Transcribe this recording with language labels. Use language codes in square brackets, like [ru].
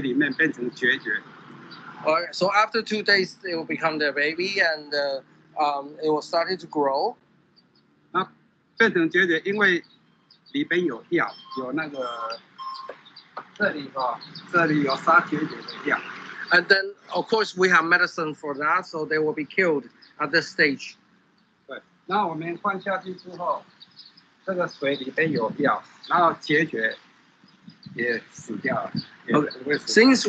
[zh] 对，蚊子会在这边产卵，然后产卵大概两天之后，那个卵会掉进去水里面变成孑孓。 [en] All right, so after 2 days, it will become their baby, and it will start to grow. [zh] 那变成孑孓，因为里边有药，有那个这里哈，这里有杀孑孓的药。 [en] And then, of course, we have medicine for that, so they will be killed at this stage. [zh] 那我们换下去之后，这个水里边有药，然后孑孓也死掉了。 [en] Since